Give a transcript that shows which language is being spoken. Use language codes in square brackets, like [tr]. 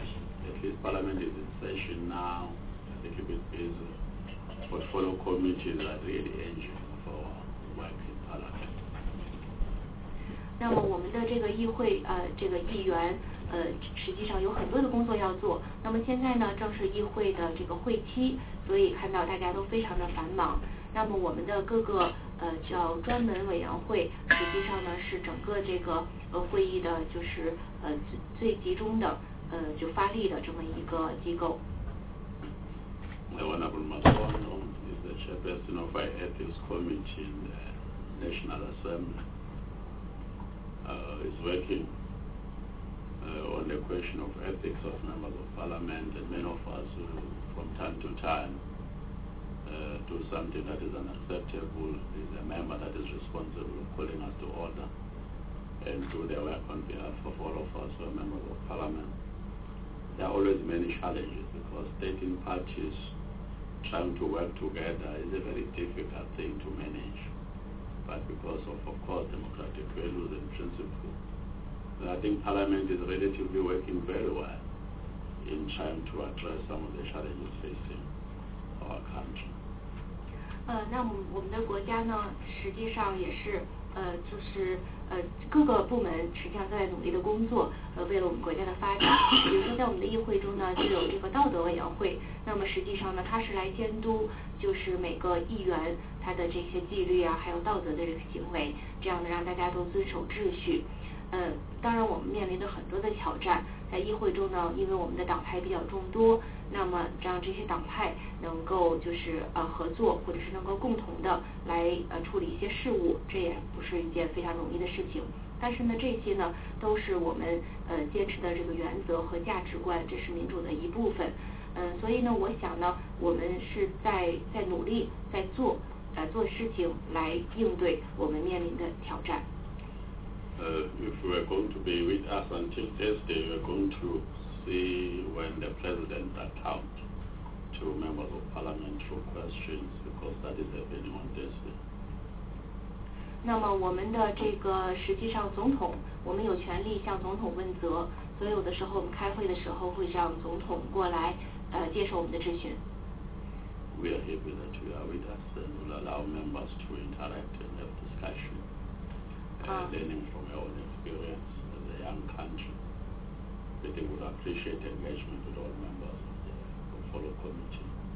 [en] At least parliament is in session now. I think it is portfolio committees are really engine for work in parliament. [zh] 那么我们的这个议会这个议员实际上有很多的工作要做，那么现在呢正是议会的这个会期，所以看到大家都非常的繁忙。那么我们的各个叫专门委员会实际上呢是整个这个会议的就是最集中的就发力的这么一个机构。 [en] My Honorable Matuano is the chairperson of our Ethics Committee in the National Assembly. Is working on the question of ethics of members of parliament, and many of us who from time to time do something that is unacceptable is a member that is responsible for calling us to order and do their work on behalf of all of us who are members of parliament. There are always many challenges because stating parties trying to work together is a very difficult thing to manage. But because of course, democratic values and principles. I think Parliament is relatively working very well in trying to address some of the challenges facing our country. [zh] 那我们的国家呢，实际上也是就是各个部门实际上都在努力的工作，为了我们国家的发展。比如说在我们的议会中呢，就有这个道德委员会，那么实际上呢，它是来监督就是每个议员他的这些纪律啊，还有道德的这个行为，这样的让大家都遵守秩序。当然我们面临着很多的挑战，在议会中呢，因为我们的党派比较众多，那么让这些党派能够就是合作，或者是能够共同的来处理一些事务，这也不是一件非常容易的事情。但是呢，这些呢都是我们坚持的这个原则和价值观，这是民主的一部分。所以呢，我想呢，我们是在努力在做做事情来应对我们面临的挑战。 [en] If you are going to be with us until Thursday, we are going to see when the president attempt to members of parliament for questions, because that is happening on Thursday. [zh] 那么我们的这个实际上总统，我们有权利向总统问责，所以有的时候我们开会的时候会让总统过来接受我们的质询。 [en] We are happy that you are with us and will allow members to interact and have discussion. Learning from your own experience as a young country, we think would appreciate engagement with all members of the portfolio committee.